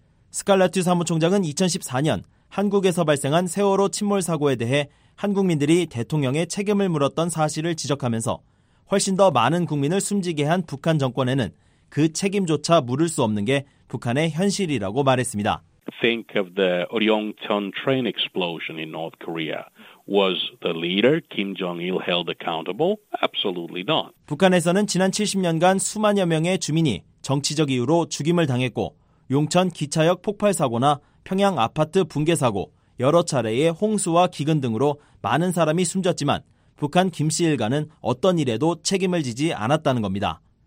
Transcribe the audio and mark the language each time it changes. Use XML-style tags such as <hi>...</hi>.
<ko>스칼라티 사무총장은 2014년 한국에서 발생한 세월호 침몰 사고에 대해 한국민들이 대통령의 책임을 물었던 사실을 지적하면서 훨씬 더 많은 국민을 숨지게 한 북한 정권에는 그 책임조차 물을 수 없는 게 북한의 현실이라고 말했습니다.</ko> <en>Think of the Ryongchun train explosion in North Korea. Was the leader Kim Jong-il held accountable? Absolutely not.</en> <ko>북한에서는 지난 70년간 수만여 명의 주민이 정치적 이유로 죽임을 당했고 용천 기차역 폭발 사고나 평양 아파트 붕괴 사고, 여러 차례의 홍수와 기근 등으로 많은 사람이 숨졌지만 북한 김씨 일가는 어떤 일에도 책임을 지지 않았다는 겁니다.</ko>